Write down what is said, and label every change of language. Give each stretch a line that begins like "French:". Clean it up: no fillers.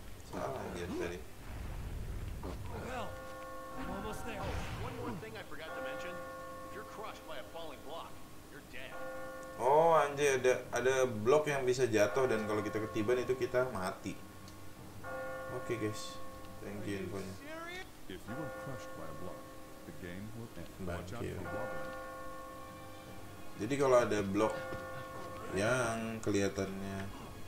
Indonesian: Salah dia tadi.
English: Almost there. One more thing I forgot to mention. If you're crushed by a falling block, you're dead.
Indonesian: Oh anjir, ada blok yang bisa jatuh dan kalau kita ketiban itu kita mati.
English: Okay, guys. Thank you infonya. If you are crushed by a block, the game will end. Watch out for the wobble.
Indonesian: Jadi kalau ada blok yang kelihatannya